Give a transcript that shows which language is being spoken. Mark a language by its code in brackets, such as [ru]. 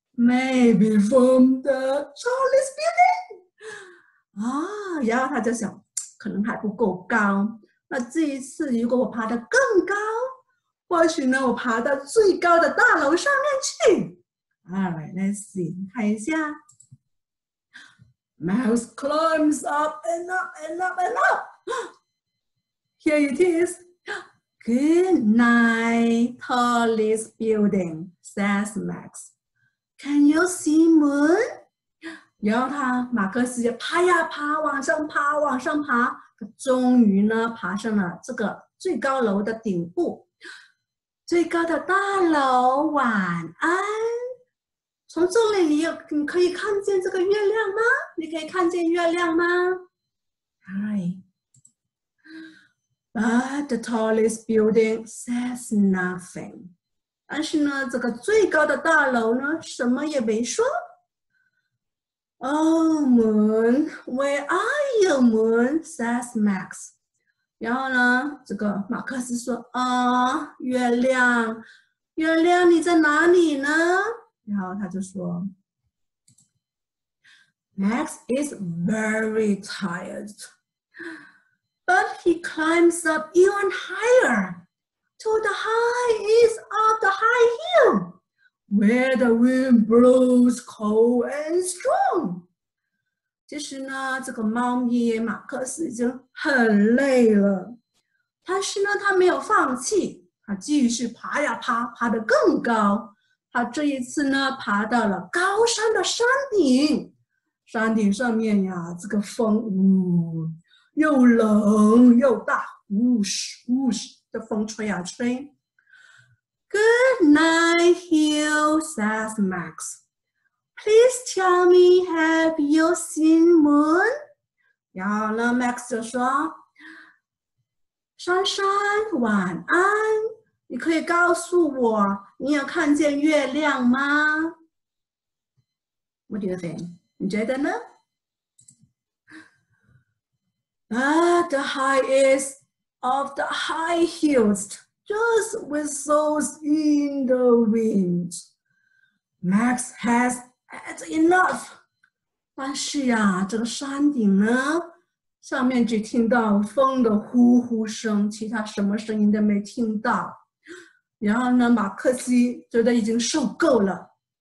[en] Maybe from the tallest building. [zh] 然后他就想，可能还不够高。那这一次，如果我爬得更高，或许呢，我爬到最高的大楼上面去。 [en] Alright, let's see， [zh] 看一下。 [en] Mouse climbs up and up and up and up. Here it is. Good night, tallest building, says Max. Can you see moon? [zh] 然后他马克思就爬呀爬，往上爬，往上爬，终于呢爬上了这个最高楼的顶部。最高的大楼，晚安。从这里，你可以看见这个月亮吗？你可以看见月亮吗？Hi. [en] But the tallest building says nothing. [zh] 但是呢，这个最高的大楼呢，什么也没说。 [en] Oh, moon, where are you, moon? says Max. [zh] 然后呢，这个马克思说："啊，月亮，月亮，你在哪里呢？" 然后他就说， [en] Max is very tired, but he climbs up even higher to the highest of the high hill, where the wind blows cold and strong。 [zh] 其实呢，这个猫咪马克思已经很累了，但是呢，他没有放弃，他继续爬呀爬，爬得更高。他这一次呢，爬到了高山的山顶。山顶上面呀，这个风，又冷又大，呜哧呜哧的风吹呀吹。 [en] Good night, hill, says Max. Please tell me, have you seen moon? [zh] 然后呢，Max 就说："珊珊，晚安。" 你可以告诉我，你有看见月亮吗？ [en] What do you think？ [zh] 你觉得呢？ [en] At the highest of the high hills, just whistles in the wind. Max has had enough. [zh] 但是呀，这个山顶呢，上面只听到风的呼呼声，其他什么声音都没听到。然后呢，马克思觉得已经受够了。